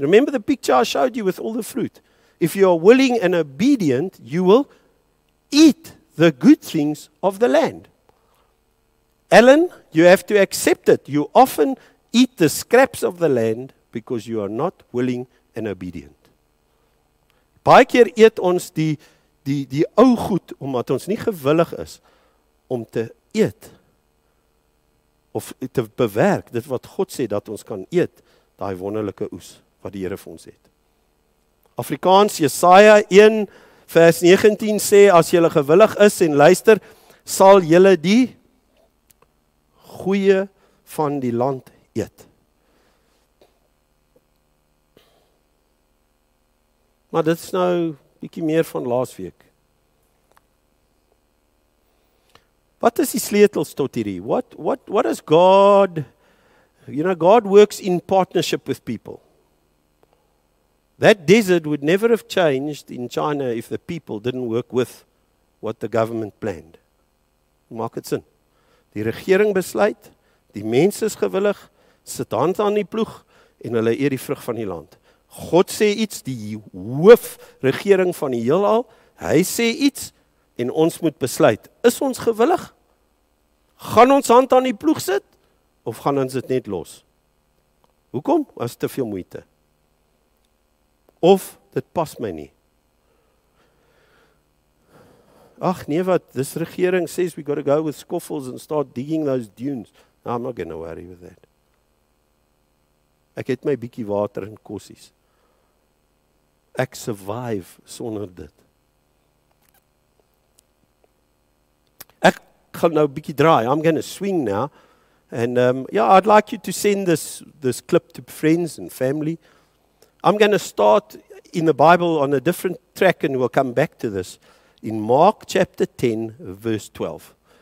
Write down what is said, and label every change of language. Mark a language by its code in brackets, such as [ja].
[en] Remember the picture I showed you with all the fruit. If you are willing and obedient, you will eat the good things of the land. Alan, you have to accept it. You often eat the scraps of the land because you are not willing and obedient. [af] Baie keer eet ons die ou goed omdat ons nie gewillig is om te eet of te bewerk dit wat God sê dat ons kan eet, daai wonderlike oes wat die Here vir ons het. Afrikaans Jesaja 1 vers 19 sê as jy gewillig is en luister, sal jy die goeie van die land eet. Maar dit is nou bietjie meer van laasweek. Wat is die sleutels tot hierdie? [en] What is God? You know, God works in partnership with people. That desert would never have changed in China if the people didn't work with what the government planned. [af] Maak dit sin. Die regering besluit, die mense is gewillig, sit hand aan die ploeg en hulle eet die vrug van die land. God sê iets, die hoofregering van die heelal, hy sê iets en ons moet besluit, is ons gewillig? Gaan ons hand aan die ploeg sit of gaan ons dit net los? Hoekom? Was te veel moeite. Of dit pas my nie. Ach nee wat, [en] this regering says we got to go with scuffles and start digging those dunes. No, I'm not going to worry with that. [af] Ek het my bietjie water en kossies. Ek survive sonder dit. Ek gaan nou bietjie draai. [en] I'm going to swing now. And yeah, I'd like you to send this clip to friends and family. I'm going to start in the Bible on a different track and we'll come back to this. In Mark chapter 10, verse 12.